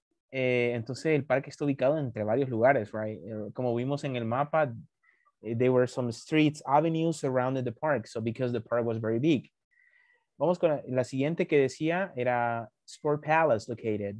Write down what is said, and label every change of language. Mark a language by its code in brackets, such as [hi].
[es] Entonces, el parque está ubicado entre varios lugares, right? Como vimos en el mapa, [en] there were some streets, avenues surrounded the park. So, because the park was very big. [es] Vamos con la siguiente que decía, era Sport Palace located.